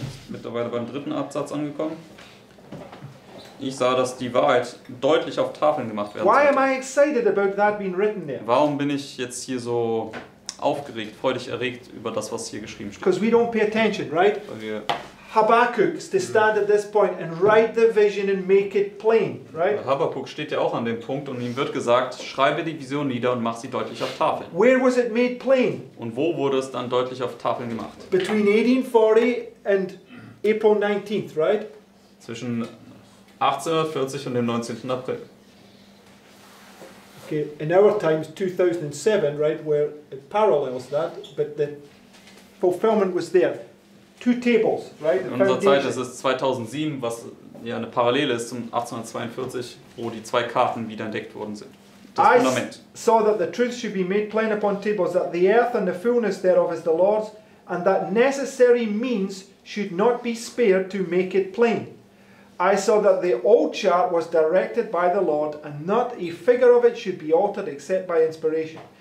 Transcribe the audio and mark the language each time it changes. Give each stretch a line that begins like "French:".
German: Mittlerweile beim dritten Absatz angekommen. Ich sah, dass die Wahrheit deutlich auf Tafeln gemacht werden sollte.
English: Why am I excited about that being written there?
German: Warum bin ich jetzt hier so aufgeregt, freudig erregt über das, was hier geschrieben steht?
English: Because we don't pay attention, right? Habakkuk is to stand at this point and write the vision and make it plain, right?
German: Habakkuk steht ja auch an dem Punkt und ihm wird gesagt, schreibe die Vision nieder und mach sie deutlich auf Tafeln.
English: Where was it made plain?
German: Und wo wurde es dann deutlich auf Tafeln gemacht?
English: Between 1840 and April 19th, right?
German: Zwischen 1840 und dem 19. April.
English: Okay, in our times 2007, right, where it parallels that, but the fulfillment was there. Two tables, right?
German: In unserer Zeit ist es 2007, was ja eine Parallele ist zum 1842, wo die zwei Karten wieder entdeckt worden sind. Das Fundament.
English: I saw that the truth should be made plain upon tables, that the earth and the fullness thereof is the Lord's, and that necessary means should not be spared to make it plain. I saw that the old chart was directed by the Lord, and not a figure of it should be altered except by inspiration.